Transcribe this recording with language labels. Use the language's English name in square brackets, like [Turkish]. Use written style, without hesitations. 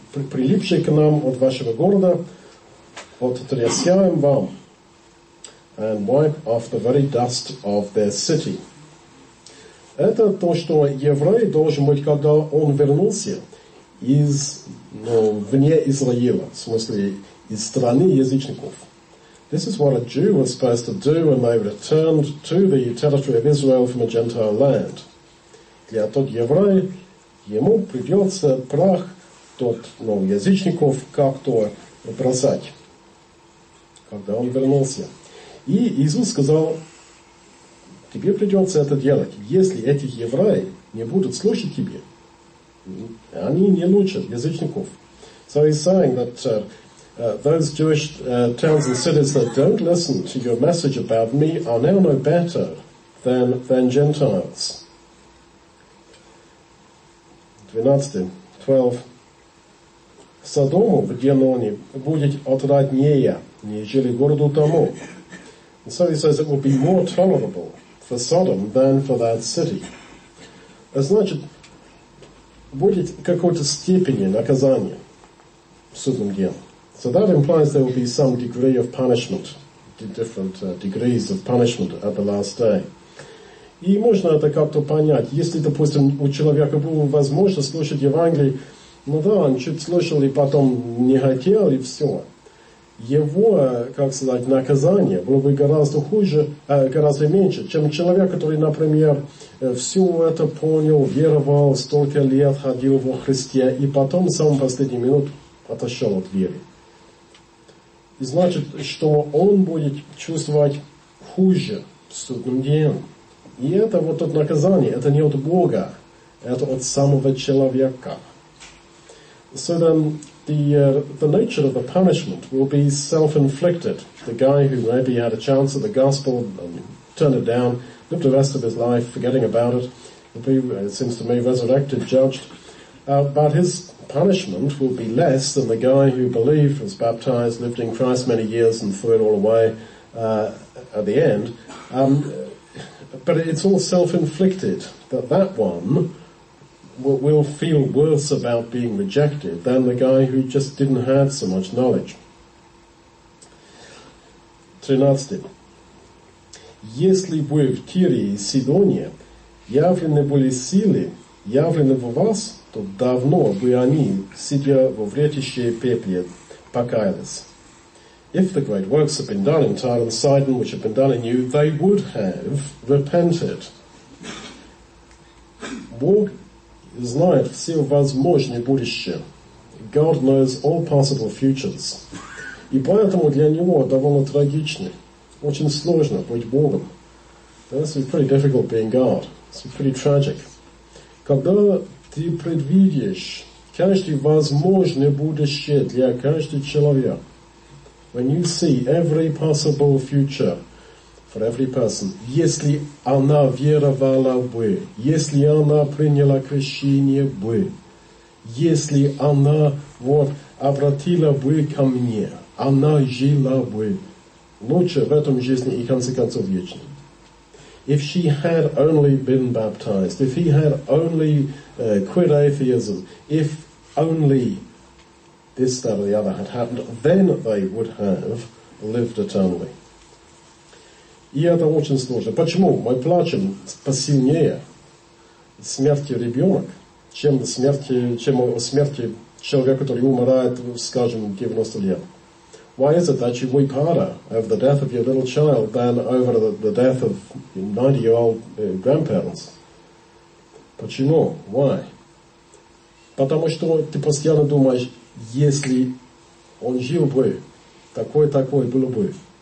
[Russian] прилипший к нам от вашего города, вот трясяем вам, [English] and wipe off the very dust of their city. [Russian] Это то, что еврей должен быть, когда он вернулся из, вне Израиля, в смысле, из страны язычников. [English] This is what a Jew was supposed to do when they returned to the territory of Israel from a Gentile land. [Russian] Для тот еврей, ему придется прах тот, язычников как-то бросать, когда он вернулся. И Иисус сказал, тебе придется это делать. Если этих евреев не будут слушать тебе, они не лучше язычников. [English] So he's saying that those Jewish towns and cities that don't listen to your message about me are now no better than Gentiles. [Russian] 12. Содому в Геноне будет отраднее, нежели городу тому. [English] And so he says it will be more tolerable for Sodom than for that city. [Russian] Значит, будет какой-то степени наказания в Судном Ген. [English] So that implies there will be some degree of punishment, different degrees of punishment at the last day. [Russian] И можно это как-то понять. Если, допустим, у человека было возможность слушать Евангелие, он чуть слышал и потом не хотел, и все. Его, как сказать, наказание было бы гораздо хуже, гораздо меньше, чем человек, который, например, все это понял, веровал, столько лет ходил во Христе, и потом в самую последнюю минуту отошел от веры. И значит, что он будет чувствовать хуже в Судном Дне. И это вот тот наказание, это не от Бога, это от самого человека. [English] So then the nature of the punishment will be self-inflicted. The guy who maybe had a chance at the gospel and turned it down, lived the rest of his life forgetting about it, will be, it seems to me, resurrected, judged. But his punishment will be less than the guy who believed, was baptized, lived in Christ many years and threw it all away at the end. But it's all self-inflicted, that one will feel worse about being rejected than the guy who just didn't have so much knowledge. [Russian] 13. Если вы в Тире и Сидоне явлены были силы, явлены в вас, то давно бы они, сидя во вретище пепле, покаялись. [English] if the great works had been done in Tyre and Sidon, which had been done in you, they would have repented. [Russian] Бог знает все возможные будущие. [English] God knows all possible futures. [Russian] И поэтому для него довольно трагично, очень сложно быть Богом. [English] This is pretty difficult being God. It's pretty tragic. [Russian] Когда ты предвидишь каждое возможное будущее для каждого человека, [English] when you see every possible future for every person, [Russian] если она веровала бы, если она приняла крещение бы, если она вот обратила бы ко мне, она жила бы лучше в этом жизни и в конце концов вечно. [English] If she had only been baptized, if he had only quit atheism, if only this, that, or the other had happened, then they would have lived eternally. [Russian] И это очень сложно. Почему мы плачем посильнее смерти ребенок, чем смерти, чем смерти человека, который умирает, скажем, 90 лет? [English] Why is it that you weep harder over the death of your little child than over the death of your 90-year-old grandparents? [Russian] Почему? [English] Why? [Russian] Потому что ты постоянно думаешь, если он жил бы, такой-такой, было бы.